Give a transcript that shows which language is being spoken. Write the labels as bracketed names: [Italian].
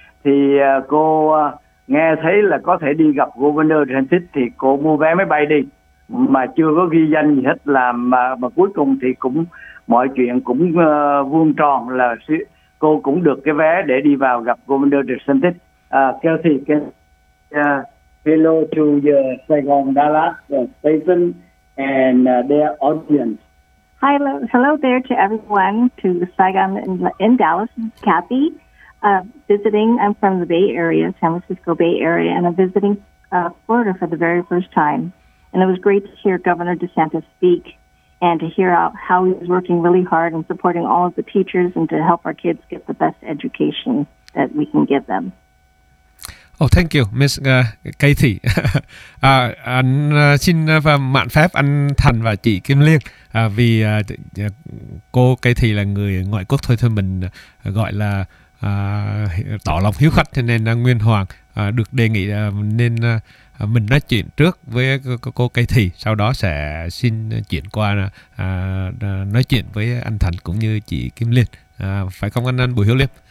[Vietnamese] Thì cô nghe thấy là có thể đi gặp Governor DeSantis thì cô mua vé máy bay đi, mà chưa có ghi danh gì hết, làm mà cuối cùng thì cũng mọi chuyện cũng vuông tròn, là cô cũng được cái vé để đi vào gặp Governor DeSantis. [English] Kelsey, hello to the Sài Gòn Dallas station and their audience. Hello there to everyone to Saigon in Dallas. It's Kathy visiting. I'm from the Bay Area, San Francisco Bay Area, and I'm visiting Florida for the very first time. And it was great to hear Governor DeSantis speak. and to hear out how he's working really hard and supporting all of the teachers and to help our kids get the best education that we can give them. Oh, thank you, Miss Cathy. [Vietnamese] Anh xin mạn phép anh Thành và chị Kim Liên, vì cô Cathy là người ngoại quốc thôi, thôi mình gọi là tỏ lòng hiếu khách, cho nên Nguyên Hoàng được đề nghị nên mình nói chuyện trước với cô Cathy, sau đó sẽ xin chuyển qua nói chuyện với anh Thành cũng như chị Kim Liên. Phải không anh Bùi Hiếu Liêm?